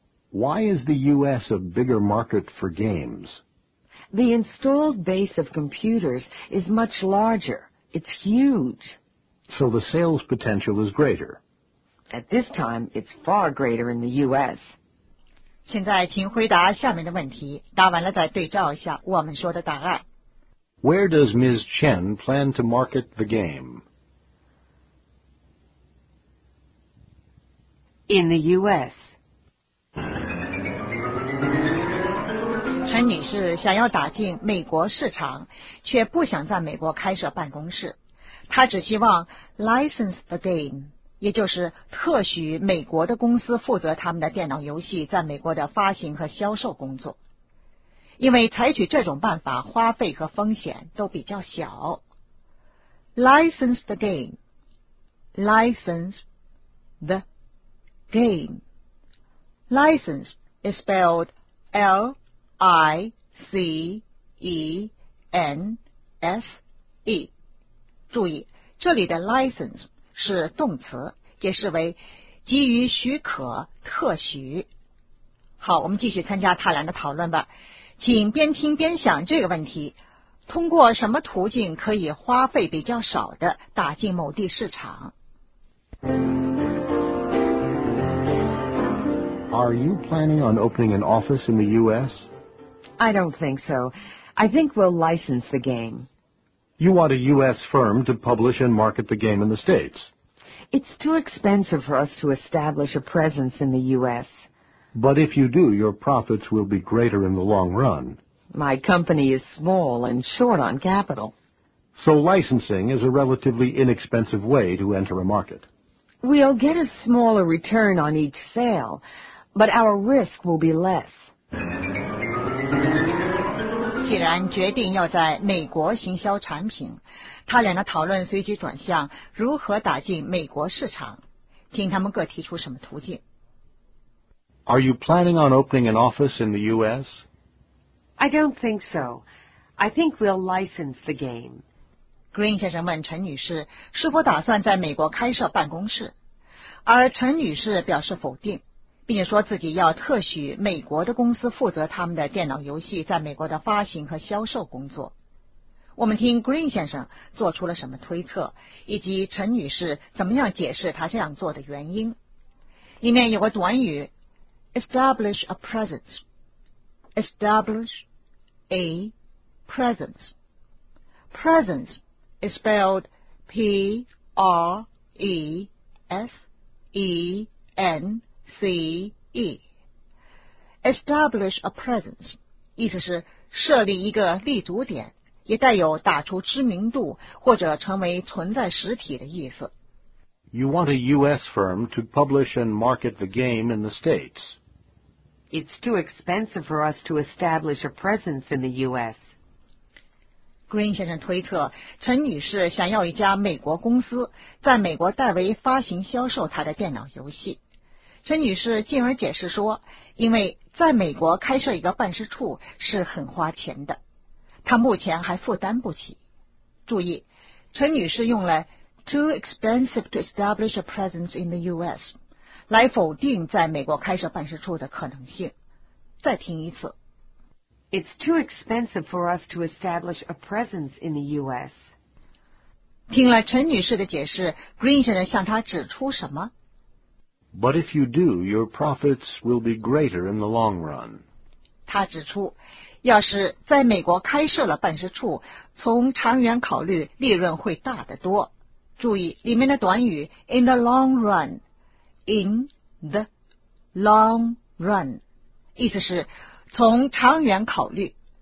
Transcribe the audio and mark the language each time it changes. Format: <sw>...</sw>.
<en>Why is the U.S. a bigger market for games? The installed base of computers is much larger. It's huge. So the sales potential is greater. At this time, it's far greater in the U.S.</en> <zh>现在请回答下面的问题，答完了再对照一下我们说的答案。</zh> <en>Where does Ms. Chen plan to market the game? In the U.S.</en> <zh>陈女士想要打进美国市场，却不想在美国开设办公室，她只希望</zh> <en>license the game.</en> <zh>也就是特许美国的公司负责他们的电脑游戏在美国的发行和销售工作，因为采取这种办法花费和风险都比较小。</zh> <en>License the game License the game License is spelled L-I-C-E-N-S-E</en> <zh>注意这里的 license 是动词解释为基于许可特许。好，我们继续参加他俩的讨论吧。请边听边想这个问题，通过什么途径可以花费比较少的打进某地市场？</zh> <en>Are you planning on opening an office in the U.S.? I don't think so. I think we'll license the game. You want a U.S. firm to publish and market the game in the States? It's too expensive for us to establish a presence in the U.S. But if you do, your profits will be greater in the long run. My company is small and short on capital. So licensing is a relatively inexpensive way to enter a market. We'll get a smaller return on each sale, but our risk will be less.</en> <zh>既然决定要在美国行销产品，他俩的讨论随即转向如何打进美国市场，听他们各提出什么途径。</zh> <en>Are you planning on opening an office in the U.S.? I don't think so. I think we'll license the game.</en> <zh>Green 先生问陈女士是否打算在美国开设办公室，而陈女士表示否定，并且说自己要特许美国的公司负责他们的电脑游戏在美国的发行和销售工作。我们听 Green 先生做出了什么推测，以及陈女士怎么样解释她这样做的原因。里面有个短语</zh> <en>establish a presence， establish a presence， presence is spelled P-R-E-S-E-N-C-E. Establish a presence,</en> <zh>意思是设立一个立足点，也带有打出知名度或者成为存在实体的意思。</zh> <en>You want a U.S. firm to publish and market the game in the States. It's too expensive for us to establish a presence in the U.S.</en> <zh>Green 先生推测，陈女士想要一家美国公司在美国代为发行销售她的电脑游戏。陈女士进而解释说，因为在美国开设一个办事处是很花钱的，她目前还负担不起。注意，陈女士用了</zh> <en>Too expensive to establish a presence in the U.S.</en> <zh>来否定在美国开设办事处的可能性。再听一次。</zh> <en>It's too expensive for us to establish a presence in the U.S.</en> <zh>听了陈女士的解释， Green 先生向她指出什么？</zh> <en>But if you do, your profits will be greater in the long run.</en> <zh>他指出，要是在美国开设了办事处，从长远考虑，利润会大得多。注意里面的短语</zh> <en>in the long run， in the long run，</en> <zh>意思是从长远考虑。</zh>